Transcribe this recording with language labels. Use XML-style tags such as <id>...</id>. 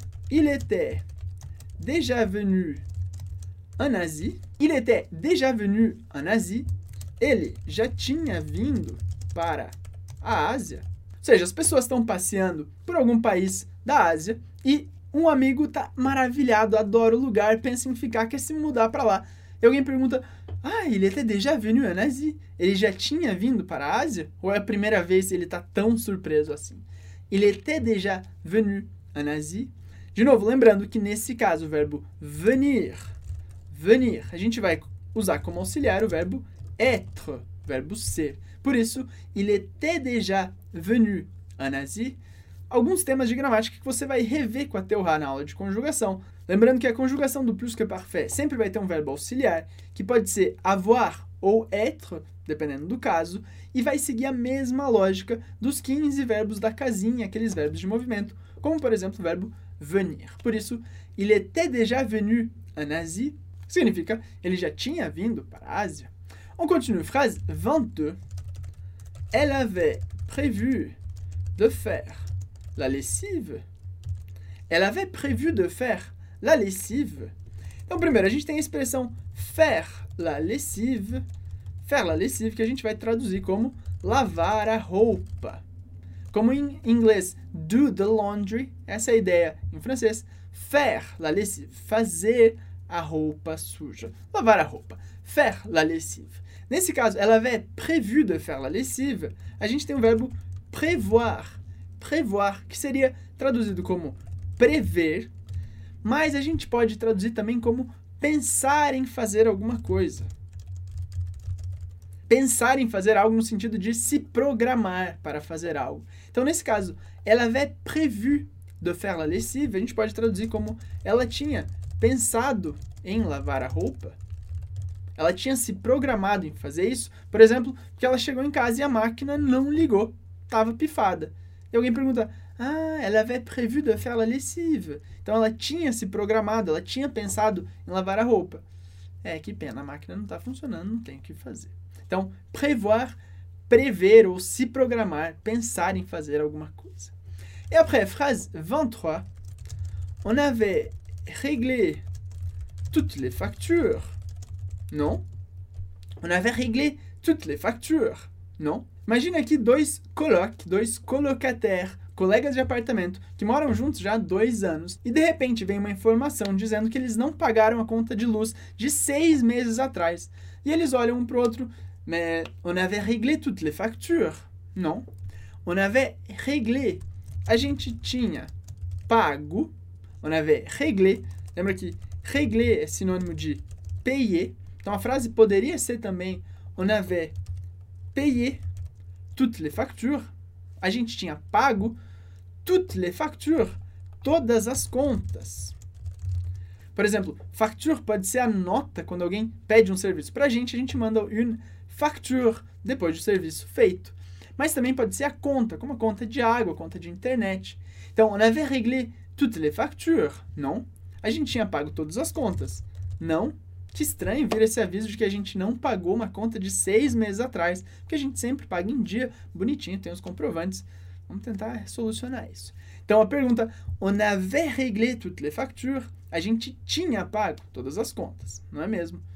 <fr>Il était déjà venu en Asie. Il était déjà venu en Asie.</fr> <pt>Ele já tinha vindo para a Ásia. Ou seja, as pessoas estão passeando por algum país da Ásia e um amigo está maravilhado, adora o lugar, pensa em ficar, quer se mudar para lá. E alguém pergunta: ah,</pt> <fr>il était déjà venu en Asie.</fr> <pt>Ele já tinha vindo para a Ásia? Ou é a primeira vez que ele está tão surpreso assim?</pt> <fr>Il était déjà venu en Asie.</fr> <pt>De novo, lembrando que nesse caso o verbo venir, venir, a gente vai usar como auxiliar o verbo être, verbo ser. Por isso,</pt> <fr>il était déjà venu en Asie.</fr> <pt>Alguns temas de gramática que você vai rever com a Théorat na aula de conjugação. Lembrando que a conjugação do plus que parfait sempre vai ter um verbo auxiliar, que pode ser avoir ou être, dependendo do caso, e vai seguir a mesma lógica dos 15 verbos da casinha, aqueles verbos de movimento, como por exemplo o verbo venir. Por isso,</pt> <fr>il était déjà venu en Asie,</fr> <pt>significa ele já tinha vindo para a Ásia.</pt> <fr>On continue. Phrase 22. Elle avait prévu de faire la lessive. Elle avait prévu de faire la lessive.</fr> <pt>Então, primeiro, a gente tem a expressão</pt> <fr>faire la lessive. Faire la lessive,</fr> <pt>que a gente vai traduzir como lavar a roupa. Como em inglês,</pt> <en>do the laundry,</en> <pt>essa é a ideia em francês.</pt> <fr>Faire la lessive,</fr> <pt>fazer a roupa suja. Lavar a roupa,</pt> <fr>faire la lessive.</fr> <pt>Nesse caso,</pt> <fr>elle avait prévu de faire la lessive,</fr> <pt>a gente tem o verbo prévoir. Prévoir, que seria traduzido como prever, mas a gente pode traduzir também como pensar em fazer alguma coisa. pensar em fazer algo no sentido de se programar para fazer algo. Então, nesse caso, ela</pt> <fr>avait prévu de faire la lessive,</fr> <pt>a gente pode traduzir como ela tinha pensado em lavar a roupa. Ela tinha se programado em fazer isso, por exemplo, porque ela chegou em casa e a máquina não ligou, estava pifada. E alguém pergunta, ah,</pt> <fr>elle avait prévu de faire la lessive.</fr> <pt>Então, ela tinha se programado, ela tinha pensado em lavar a roupa. É, que pena, a máquina não está funcionando, não tem o que fazer. Então, prévoir, prever ou se programar, pensar em fazer alguma coisa.</pt> <fr>E après, phrase 23. On avait réglé toutes les factures. Non. On avait réglé toutes les factures. Non.</fr> <pt>Imagina aqui dois colocataires, colegas de apartamento, que moram juntos já há 2 anos, e de repente vem uma informação dizendo que eles não pagaram a conta de luz de 6 meses atrás. E eles olham um pro outro,</pt> <fr>mais on avait réglé toutes les factures. Non. On avait réglé.</fr> <pt>A gente tinha pago.</pt> <fr>On avait réglé.</fr> <pt>Lembra que réglé é sinônimo de payer. Então, a frase poderia ser também</pt> <fr>on avait payé toutes les factures.</fr> <pt>A gente tinha pago</pt> <fr>toutes les factures,</fr> <pt>todas as contas. Por exemplo, facture pode ser a nota quando alguém pede um serviço para a gente manda</pt> <fr>une facture</fr> <pt>depois do serviço feito. Mas também pode ser a conta, como a conta de água, a conta de internet. Então,</pt> <fr>on avait réglé toutes les factures.</fr> <pt>Não. A gente tinha pago todas as contas. Não. Que estranho vir esse aviso de que a gente não pagou uma conta de 6 meses atrás, porque a gente sempre paga em dia, bonitinho, tem os comprovantes. Vamos tentar solucionar isso. Então, a pergunta,</pt> <fr>on avait réglé toutes les factures,</fr> <pt>a gente tinha pago todas as contas, não é mesmo?</pt>